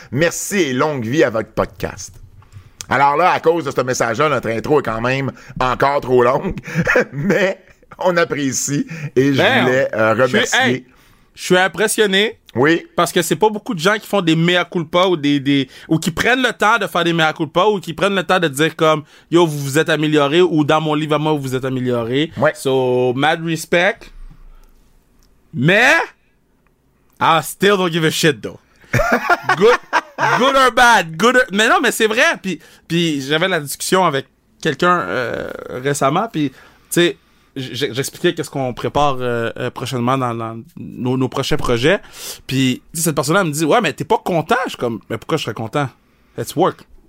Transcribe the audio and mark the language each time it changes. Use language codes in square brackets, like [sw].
[fr] Merci et longue vie à votre podcast. Alors là, à cause de ce message-là, notre intro est quand même encore trop longue, mais on apprécie et je voulais remercier. Je suis impressionné. Oui. Parce que c'est pas beaucoup de gens qui font des mea culpa ou ou qui prennent le temps de faire des mea culpa ou qui prennent le temps de dire comme yo, vous vous êtes amélioré ou dans mon livre à moi, vous vous êtes amélioré. Ouais. [en] So, mad respect. Mais, I still don't give a shit though. Good or bad, [fr] mais non, mais c'est vrai. Puis j'avais la discussion avec quelqu'un récemment. Puis tu sais, j'expliquais qu'est-ce qu'on prépare prochainement dans nos prochains projets. Puis cette personne-là me dit, ouais, mais t'es pas content. Je suis comme, mais pourquoi je serais content? [en] Let's work.